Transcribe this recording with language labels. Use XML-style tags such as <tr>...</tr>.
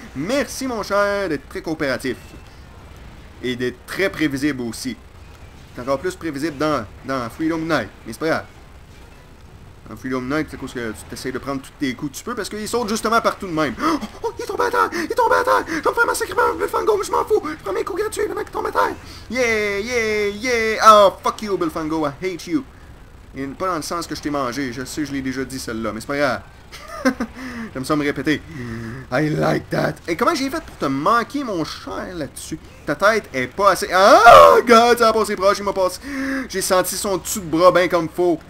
<fr>Merci, mon cher, d'être très coopératif. Et d'être très prévisible aussi. T'es encore plus prévisible dans Freedom Knight. Mais c'est pas grave. Dans Freedom Knight, c'est parce que tu t'essayes de prendre tous tes coups que tu peux, parce qu'ils sautent justement partout de même. Il est tombé à terre! Je vais me faire massacrer par Bullfango, mais je m'en fous! Je prends mes coups gratuits pendant qu'il tombe à terre!</fr> <en>Yeah! Oh, fuck you, Bullfango, I hate you!</en> <fr>Et pas dans le sens que je t'ai mangé, je sais, je l'ai déjà dit celle-là, mais c'est pas grave. J'aime ça me répéter.</fr> <en>I like that!</en> <fr>Et comment j'ai fait pour te manquer, mon cher, là-dessus? Ta tête est pas assez... Ah, God, ça a passé proche, il m'a passé... J'ai senti son dessus de bras bien comme faux.</fr>